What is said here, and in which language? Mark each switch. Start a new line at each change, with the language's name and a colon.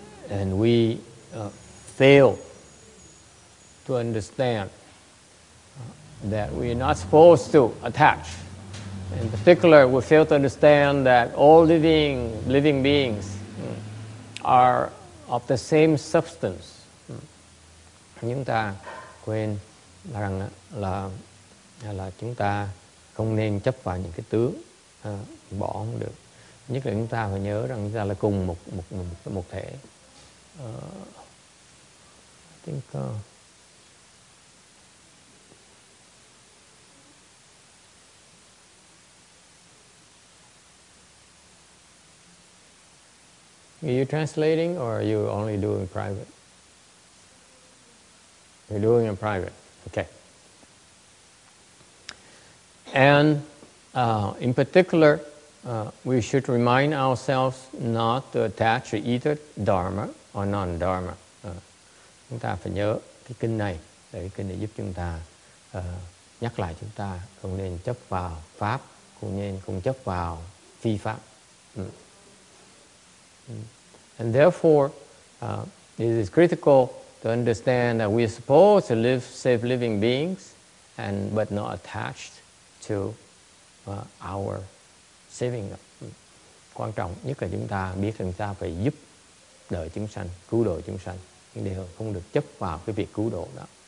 English: And we fail to understand that we are not supposed to attach. In particular, we fail to understand that all living beings are of the same substance.
Vietnamese: Chúng ta quên rằng là chúng ta không nên chấp vào những cái tướng, bỏ không được. Nhất là chúng ta phải nhớ rằng chúng ta là cùng một thể.
English: Are you translating or are you only doing private? You're doing in private. Okay. And in particular, we should remind ourselves not to attach to either Dharma or non-Dharma.
Vietnamese: Chúng ta phải nhớ cái kinh này, để cái kinh này giúp chúng ta nhắc lại chúng ta không nên chấp vào Pháp, cũng nên không chấp vào phi Pháp.
English: And therefore, it is critical to understand that we are supposed to live safe living beings, and but not attached to our saving.
Vietnamese: Quan trọng nhất là chúng ta biết rằng ta phải giúp đỡ chúng sanh, cứu độ chúng sanh, nhưng đều không được chấp vào cái việc cứu độ đó.